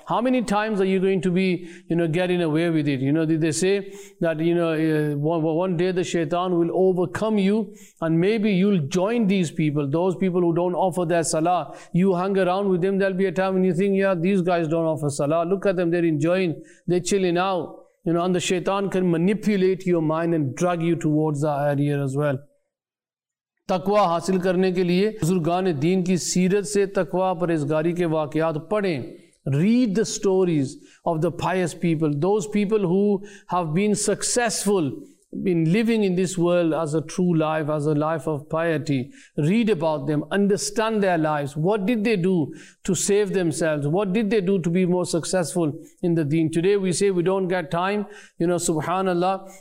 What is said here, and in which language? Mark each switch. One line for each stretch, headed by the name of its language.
English: How many times are you going to be, you know, getting away with it? You know, they say that, you know, one day the shaitan will overcome you and maybe you'll join these people, those people who don't offer their salah. You hang around with them, there'll be a time when you think, yeah, these guys don't offer salah. Look at them, they're enjoying, they're chilling out. You know, and the shaitan can manipulate your mind and drag you towards that area as well.
Urdu: تقویٰ حاصل کرنے کے لیے بزرگان دین کی سیرت سے تقویٰ پرہیزگاری کے واقعات پڑھیں.
English: Read the stories of the pious people, those people who have been successful in living in this world as a true life, as a life of piety. Read about them, understand their lives. What did they do to save themselves? What did they do to be more successful in the deen? Today we say we don't get time, you know, subhanallah.